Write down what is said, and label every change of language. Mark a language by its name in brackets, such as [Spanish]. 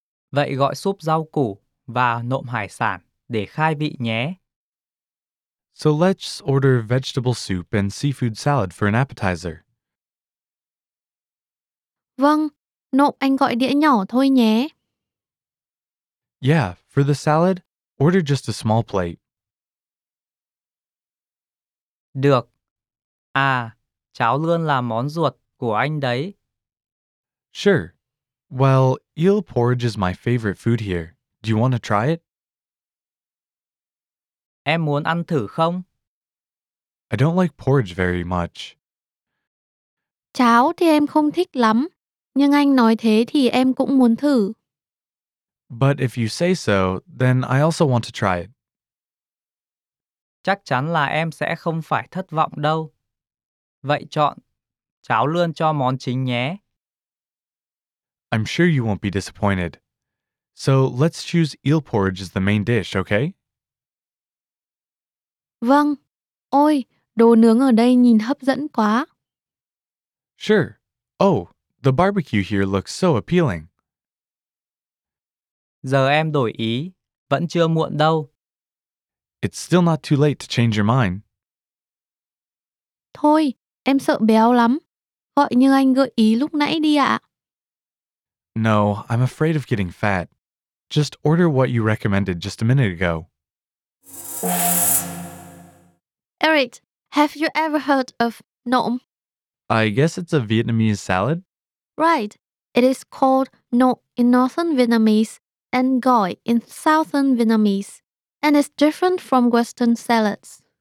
[Vietnamese] Vậy gọi súp rau củ và nộm hải sản để khai vị nhé. [English] So let's order vegetable soup and seafood salad for an appetizer. [Vietnamese] Vâng, nộm anh gọi đĩa nhỏ thôi nhé. [English] Yeah, for the salad, order just a small plate. [Vietnamese] Được. À, cháo lươn là món ruột của anh đấy. [English] Sure. Well, eel porridge is my favorite food here. Do you want to try it? [Vietnamese] Em muốn ăn thử không? [English] I don't like porridge very much. [Vietnamese] Cháo thì em không thích lắm, nhưng anh nói thế thì em cũng muốn thử. [English] But if you say so, then I also want to try it. [Vietnamese] Chắc chắn là em sẽ không phải thất vọng đâu. Vậy chọn cháo lươn cho món chính nhé. [English] I'm sure you won't be disappointed. So let's choose eel porridge as the main dish, okay? [Vietnamese] Vâng. Ôi, đồ nướng ở đây nhìn hấp dẫn quá. [English] Sure. Oh, the barbecue here looks so appealing. [Vietnamese] Giờ em đổi ý. Vẫn chưa muộn đâu. [English] It's still not too late to change your mind. [Vietnamese] Thôi, em sợ béo lắm. Gọi như anh gợi ý lúc nãy đi ạ. [English] No, I'm afraid of getting fat. Just order what you recommended just a minute ago. Eric, have you ever heard of nộm? I guess it's a Vietnamese salad. Right. It is called nộm in northern Vietnamese and gọi in southern Vietnamese, and it's different from Western salads.